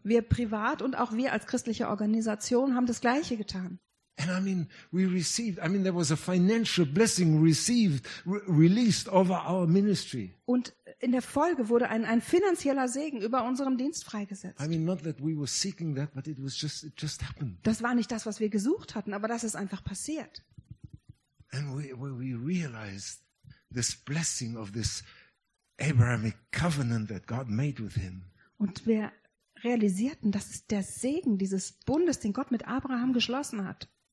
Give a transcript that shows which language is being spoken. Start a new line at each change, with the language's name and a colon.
German: Wir privat und auch wir als christliche Organisation haben das Gleiche getan.
English: And I mean, we received. I mean, there was a financial blessing released over our ministry.
German: Und in der Folge wurde ein finanzieller Segen über unserem Dienst freigesetzt.
English: I mean, not that we were seeking that, but it just happened.
German: Das war nicht das, was wir gesucht hatten, aber das ist einfach passiert.
English: And we realized this blessing of this Abrahamic covenant that God made with him.
German: Und wir realisierten, das ist der Segen dieses Bundes, den Gott mit Abraham geschlossen hat.